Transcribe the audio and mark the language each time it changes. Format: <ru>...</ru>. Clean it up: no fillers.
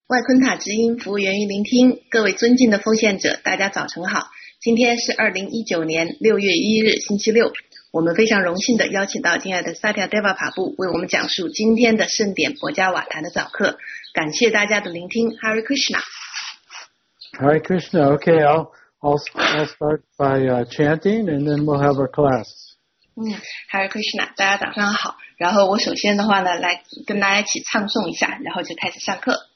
<zh>外昆塔之音服务员一聆听，各位尊敬的奉献者，大家早晨好。今天是2019年6月1日星期六，我们非常荣幸地邀请到亲爱的萨提亚·德瓦帕布为我们讲述今天的盛典博加瓦坛的早课。感谢大家的聆听。Hare Krishna</zh> <sa>Hare Krishna.</sa> <en>OK, I'll start by chanting and then we'll have our class.</en> <zh>Hare Krishna, 大家早上好。然后我首先的话呢，来跟大家一起唱诵一下，然后就开始上课。</zh>